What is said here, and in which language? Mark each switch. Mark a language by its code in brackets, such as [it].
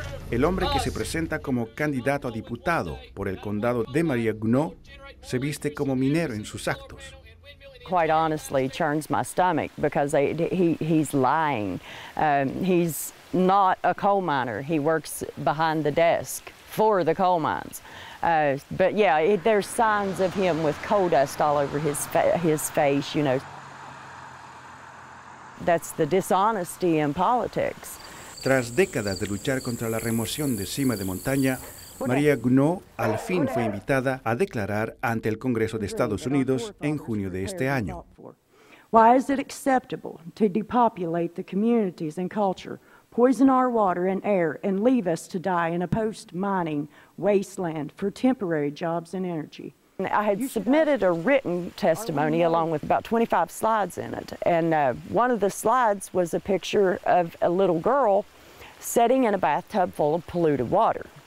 [es] El hombre que se presenta como candidato a diputado por el condado de Maria Gno se viste como minero en sus actos. [en] Quite honestly, churns my stomach because he's lying. He's not a coal miner. He works behind the desk for the coal mines. There's signs of him with coal dust all over his face. You know, that's the dishonesty in politics. [es] Tras décadas de luchar contra la remoción de cima de montaña, María Gno al fin fue invitada a declarar ante el Congreso de Estados Unidos en junio de este año. [en] Why is it acceptable to depopulate the communities and culture, poison our water and air, and leave us to die in a post-mining wasteland for temporary jobs and energy? I had submitted a written testimony along with about 25 slides in it, and one of the slides was a picture of a little girl sitting in a bathtub full of polluted water.